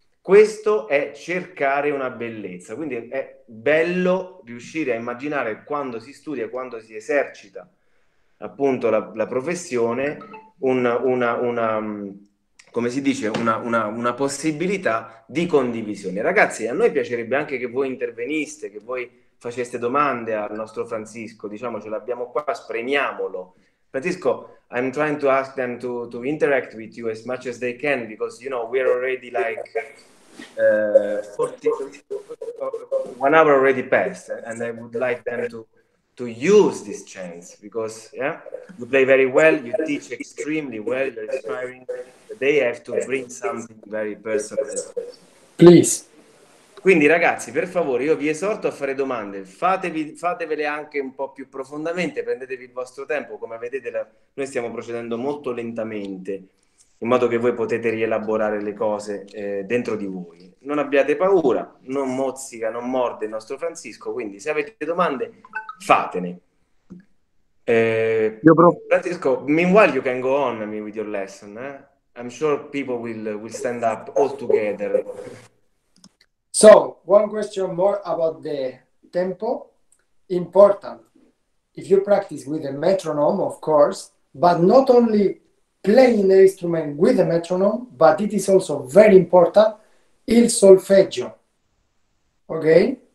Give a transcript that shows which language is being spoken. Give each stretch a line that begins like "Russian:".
Italian: Questo è cercare una bellezza, quindi è bello riuscire a immaginare quando si studia, quando si esercita appunto la professione, una possibilità di condivisione. Ragazzi, a noi piacerebbe anche che voi interveniste, che voi faceste domande al nostro Francisco, diciamo ce l'abbiamo qua, spremiamolo.
English: Francisco, I'm trying to ask them to interact with you as much as they can, because you know, we're already like 1 hour already passed, and I would like them to use this chance, because yeah, you play very well, you teach extremely well, you're inspiring, they have to bring something very personal. Please.
Italian: Quindi ragazzi, per favore, io vi esorto a fare domande, fatevele anche un po' più profondamente, prendetevi il vostro tempo, come vedete noi stiamo procedendo molto lentamente, in modo che voi potete rielaborare le cose dentro di voi. Non abbiate paura, non mozzica, non morde il nostro Francisco, quindi se avete domande, fatene.
English: Francisco, meanwhile you can go on with your lesson. Eh? I'm sure people will stand up all together. So, one question more about the tempo. Important. If you practice with a metronome, of course, but not only playing the instrument with a metronome, but it is also very important, il solfeggio. Okay?